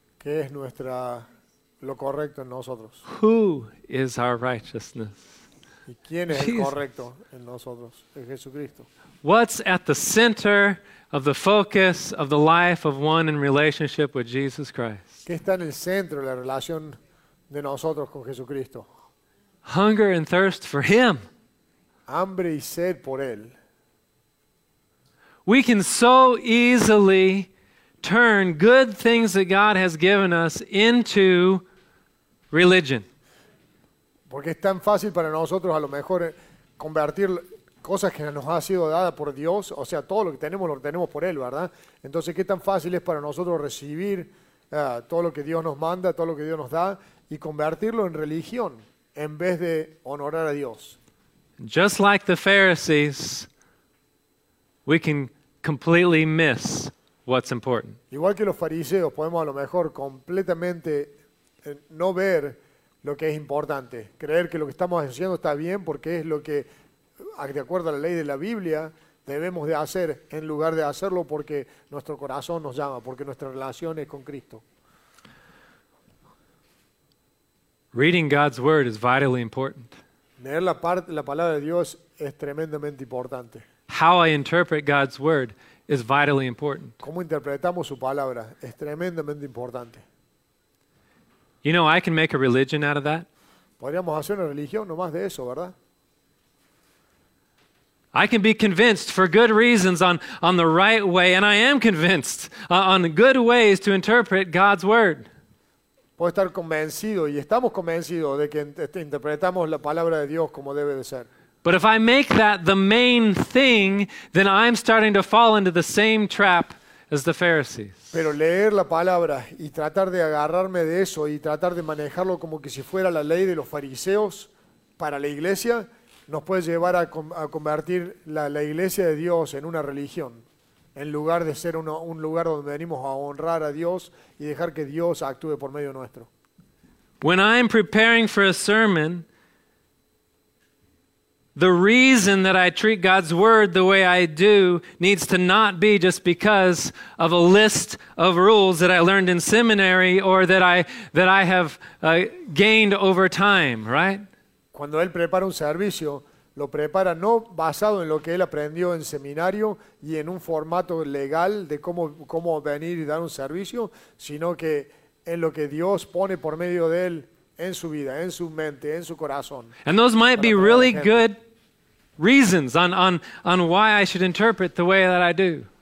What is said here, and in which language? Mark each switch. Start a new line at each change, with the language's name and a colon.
Spanish: ¿Qué es nuestra, lo correcto en nosotros?
English: Who is our righteousness?
Spanish: ¿Y quién es el correcto en nosotros? En Jesucristo.
English: What's at the center of the focus of the life of one in relationship with Jesus Christ?
Spanish: ¿Qué está en el centro de la relación de nosotros con Jesucristo?
English: Hunger and thirst for Him.
Spanish: Hambre y sed por Él.
English: We can so easily turn good things that God has given us into religion.
Spanish: Porque es tan fácil para nosotros a lo mejor convertir cosas que nos ha sido dada por Dios, o sea, todo lo que tenemos por Él, ¿verdad? Entonces, ¿qué tan fácil es para nosotros recibir todo lo que Dios nos manda, todo lo que Dios nos da, y convertirlo en religión, en vez de honorar a Dios?
English: Just like the Pharisees, we can completely miss what's important.
Spanish: Igual que los fariseos, podemos a lo mejor completamente no ver lo que es importante, creer que lo que estamos haciendo está bien porque es lo que, de acuerdo a la ley de la Biblia, debemos de hacer en lugar de hacerlo porque nuestro corazón nos llama, porque nuestra relación es con Cristo.
English: Reading God's word is vitally important.
Spanish: Leer la palabra de Dios es tremendamente importante.
English: How I interpret God's word is vitally important.
Spanish: Cómo interpretamos su palabra es tremendamente importante.
English: You know, I can make a religion out of that.
Spanish: Podríamos hacer una religión nomás de eso, ¿verdad?
English: I can be convinced for good reasons on the right way, and I am convinced on good ways to interpret God's word.
Spanish: Puedo estar convencido y estamos convencidos de que interpretamos la palabra de Dios como debe de ser.
English: But if I make that the main thing, then I'm starting to fall into the same trap as the Pharisees.
Spanish: Pero leer la palabra y tratar de agarrarme de eso y tratar de manejarlo como que si fuera la ley de los fariseos para la iglesia nos puede llevar a convertir la iglesia de Dios en una religión, en lugar de ser un lugar donde venimos a honrar a Dios y dejar que Dios actúe por medio nuestro.
English: When I'm preparing for a sermon, the reason that I treat God's word the way I do needs to not be just because of a list of rules that I learned in seminary or that I have gained over time, right?
Spanish: Cuando él prepara un servicio, lo prepara no basado en lo que él aprendió en seminario y en un formato legal de cómo venir y dar un servicio, sino que en lo que Dios pone por medio de él en su vida, en su mente, en su corazón.
English: And those might be really good reasons on why I should interpret the way that I do.